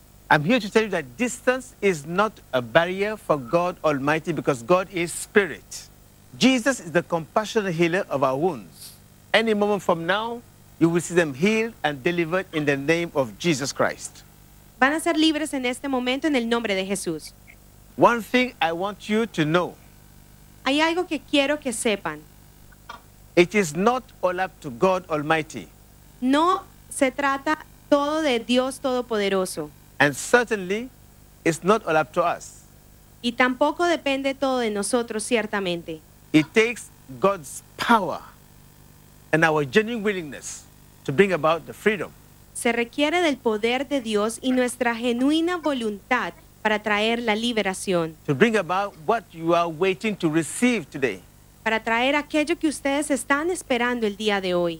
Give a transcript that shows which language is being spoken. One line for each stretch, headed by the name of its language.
English: I'm here to tell you that distance is not a barrier for God Almighty, because God is spirit. Jesus is the compassionate healer of our wounds. Any moment from now, you will see them healed and delivered in the name of Jesus Christ.
Spanish: Van a ser libres en este momento en el nombre de Jesús.
English: One thing I want you to know.
Spanish: Hay algo que quiero que sepan.
English: It is not all up to God Almighty.
Spanish: No se trata todo de Dios Todopoderoso.
English: And certainly, it's not all up to us.
Spanish: Y tampoco depende todo de nosotros, ciertamente.
English: It takes God's power and our genuine willingness to bring about the freedom.
Spanish: Se requiere del poder de Dios y nuestra genuina voluntad para traer la liberación.
English: To bring about what you are waiting to receive today.
Spanish: Para traer aquello que ustedes están esperando el día de hoy.